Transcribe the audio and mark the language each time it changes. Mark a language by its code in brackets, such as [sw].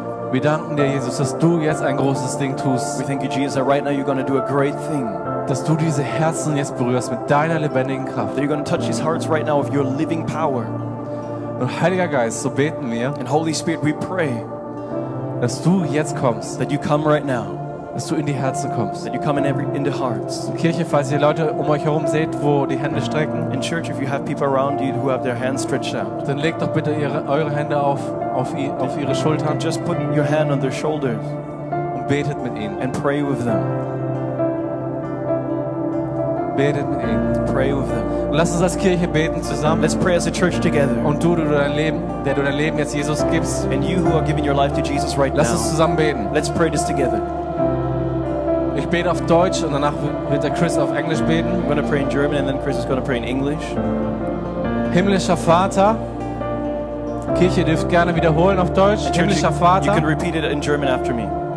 [de] Wir danken dir, Jesus, dass du jetzt ein großes Ding tust. [en] We thank you, Jesus, that right now you're going to do a great thing. [de] Dass du diese Herzen jetzt berührst mit deiner lebendigen Kraft. [en] That you're going to touch these hearts right now with your living power. [de] Und Heiliger Geist, so beten wir. [en] And Holy Spirit, we pray. [de] Dass du jetzt kommst. [en] That you come right now. [de] Dass du in die Herzen kommst. [en] That you come in the hearts. [de] Und Kirche, falls ihr Leute um euch herum seht, wo die Hände strecken. [en] In church, if you have people around you who have their hands stretched out. [de] Dann legt doch bitte eure Hände auf ihre Schultern. [en] Just put your hand on their shoulders. [de] Und betet mit ihnen. [en] And pray with them. [de] Betet mit ihnen. [en] Pray with them. [de] Lass uns als Kirche beten zusammen. [en] Let's pray as a church together. [de] Und du dein Leben jetzt Jesus gibst. [en] And you who are giving your life to Jesus right [de] lass [en] now. [de] Lass uns zusammen beten. [en] Let's pray this together. [de] Ich bete auf Deutsch und danach wird der Chris auf Englisch beten. [en] I'm going to pray in German and then Chris is going to pray in English. [de] Himmlischer Vater. Kirche, ihr dürft gerne wiederholen auf Deutsch. [en] Church, [de] Himmlischer Vater. [en] You can repeat it in German after me.